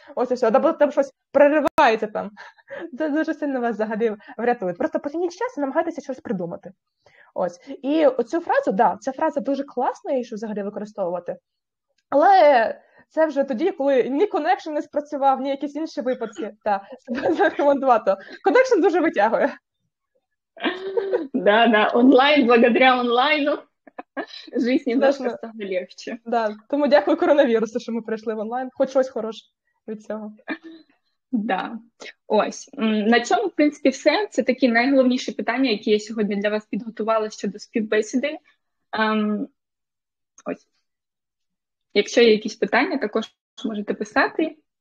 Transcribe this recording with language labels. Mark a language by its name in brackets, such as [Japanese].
[Ukrainian] Ось і все, або там щось переривається там. Це дуже сильно вас взагалі врятує. Просто потягніть час і намагайтеся щось придумати. Ось. І оцю фразу, да, ця фраза дуже класна, її взагалі використовувати. Але це вже тоді, коли ні connection не спрацював, ні якісь інші випадки. Так, за рекомендувати. Connection дуже витягує. [Russian] Да-да, онлайн, благодаря онлайну. Жизнь немножко стала легче. [Ukrainian] Да, тому дякую коронавірусу, що ми прийшли в онлайн. Хоч щось хороше від цього. Да. Ось. На чому, в принципі, все. Це такі найголовніші питання, які я сьогодні для вас підготувала щодо співбесіди. Ось. Якщо є якісь питання, також можете писати.